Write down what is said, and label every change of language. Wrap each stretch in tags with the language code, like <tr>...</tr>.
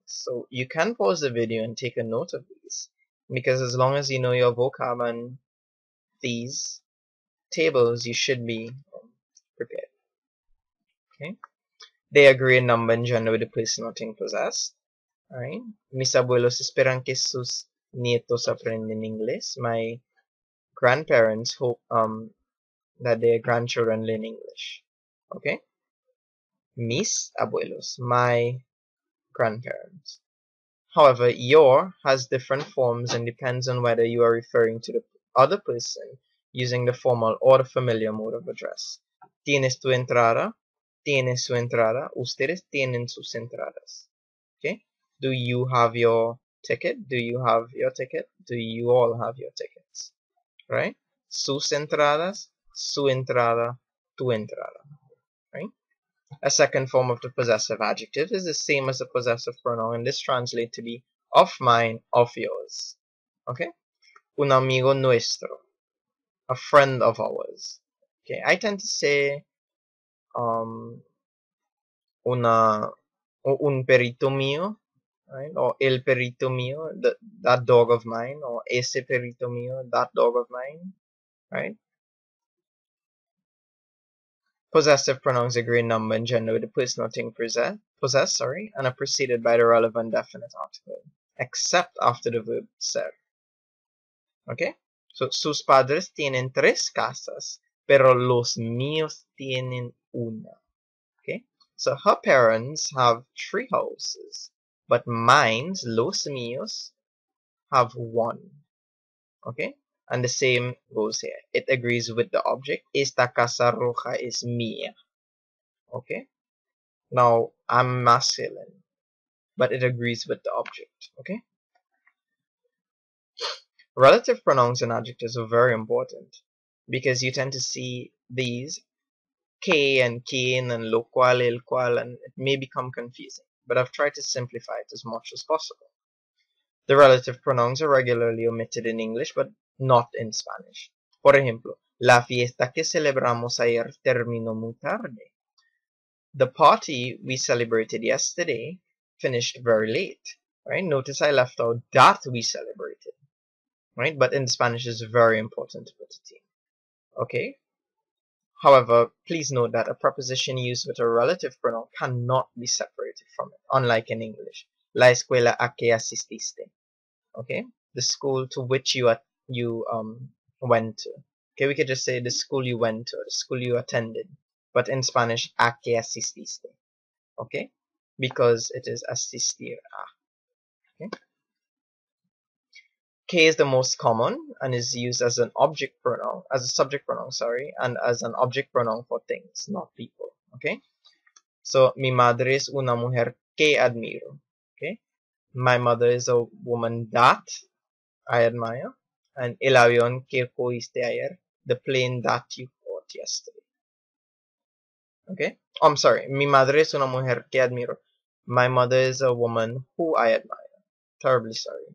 <en>So you can pause the video and take a note of these. Because as long as you know your vocab and these tables, you should be prepared. Okay? They agree in number and gender with the place and thing possessed. Alright?</en> <es>Mis abuelos esperan que sus nietos aprendan inglés.</es> <en>My grandparents hope that their grandchildren learn English. Okay?</en> <es>Mis abuelos.</es> <en>My grandparents. However, your has different forms and depends on whether you are referring to the other person using the formal or the familiar mode of address.</en> <es>Tienes tu entrada, tienes su entrada, ustedes tienen sus entradas.</es> <en>Okay? Do you have your ticket? Do you have your ticket? Do you all have your tickets? Right?</en> <es>Sus entradas, su entrada, tu entrada.</es> <en>A second form of the possessive adjective is the same as the possessive pronoun, and this translates to be of mine, of yours. Okay?</en> <es>Un amigo nuestro.</es> <en>A friend of ours. Okay? I tend to say,</en> <es>un perito mío, right?</es> <en>Or</en> <es>el perito mío,</es> <en>that dog of mine, or</en> <es>ese perito mío,</es> <en>that dog of mine, right? Possessive pronouns agree in number and gender with the place noting possess, and are preceded by the relevant definite article, except after the verb ser. Okay?</en> <es>So, sus padres tienen tres casas, pero los míos tienen una.</es> <en>Okay? So, her parents have three houses, but mine,</en> <es>los míos,</es> <en>have one. Okay? And the same goes here. It agrees with the object.</en> <es>Esta casa roja es mía.</es> <en>Okay? Now, I'm masculine. But it agrees with the object. Okay? Relative pronouns and adjectives are very important. Because you tend to see these. Que and quien and lo cual, el cual. And it may become confusing. But I've tried to simplify it as much as possible. The relative pronouns are regularly omitted in English. But not in Spanish.</en> <es>Por ejemplo, la fiesta que celebramos ayer terminó muy tarde.</es> <en>The party we celebrated yesterday finished very late. Right? Notice I left out that we celebrated. Right? But in Spanish it's very important to put it in. Okay? However, please note that a preposition used with a relative pronoun cannot be separated from it, unlike in English.</en> <es>La escuela a que asististe.</es> <en>Okay? The school to which you went to. Okay, we could just say the school you went to, the school you attended. But in Spanish,</en> <es>a que asististe.</es> <en>Okay? Because it is asistir a. Okay? Que is the most common and is used as an object pronoun, as a subject pronoun, sorry, and as an object pronoun for things, not people. Okay?</en> <es>So, mi madre es una mujer que admiro.</es> <en>Okay? My mother is a woman that I admire. And</en> <es>el avión que cogiste ayer,</es> <en>the plane that you caught yesterday. Okay? I'm sorry.</en> <es>Mi madre es una mujer que admiro.</es> <en>My mother is a woman who I admire. Terribly sorry.</en>